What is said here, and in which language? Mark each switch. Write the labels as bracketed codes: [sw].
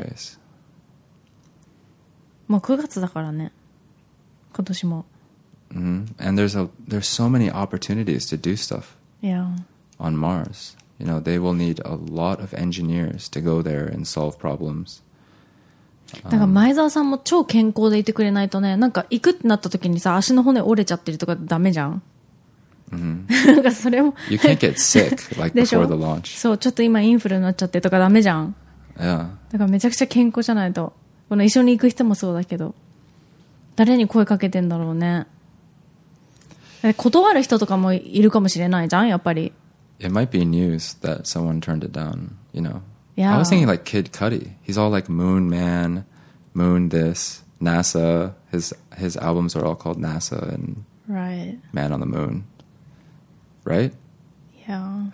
[en] Base. [ja] もう9月だからね。今年も。 Mm-hmm. [en] And there's so many opportunities to do stuff on Mars. You know, they will need a lot of engineers to go there and solve problems. [ja] だから前澤さんも超健康でいてくれないとね、なんか行くってなった時にさ、足の骨折れちゃってるとかダメじゃん。 Mm-hmm. なんかそれも。 [en] You can't get sick, like, before the launch. [ja] そう、ちょっと今インフルになっちゃってとかダメじゃん。 [en] Yeah. [ja] だからめちゃくちゃ健康じゃないと。この一緒に行く人もそうだけど。誰に声かけてんだろうね。断る人とかもいるかもしれないじゃん、やっぱり。 [en] It might be news that someone turned it down, you know. Yeah. I was thinking like Kid Cudi. He's all like Moon Man, Moon This, NASA. His albums are all called NASA and Man on the Moon. Right? Yeah.